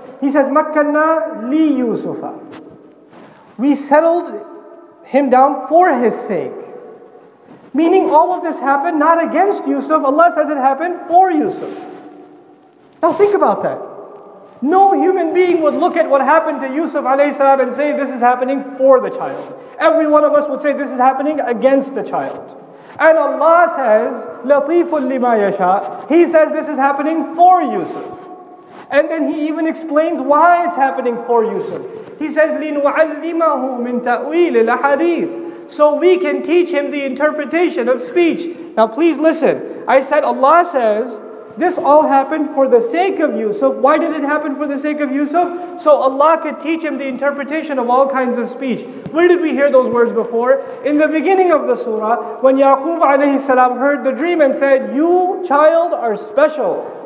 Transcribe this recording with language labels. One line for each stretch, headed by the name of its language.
English: He says
Arabic: مكنا لي يوسف.
English: We settled him down for his sake. Meaning all of this happened not against Yusuf. Allah says it happened for Yusuf. Now think about that. No human being would look at what happened to Yusuf alayhi salam and say this is happening for the child. Every one of us would say this is happening against the child. And Allah says,
Arabic: لَطِيفٌ لِمَا يَشَاء.
English: He says this is happening for Yusuf. And then he even explains why it's happening for Yusuf. He says,
Arabic: لِنُعَلِّمَهُ مِن تَأْوِيلِ الْحَدِيثِ.
English: So we can teach him the interpretation of speech. Now please listen. I said Allah says, this all happened for the sake of Yusuf. Why did it happen for the sake of Yusuf? So Allah could teach him the interpretation of all kinds of speech. Where did we hear those words before? In the beginning of the surah, when Yaqub alayhi salam heard the dream and said, you, child, are special.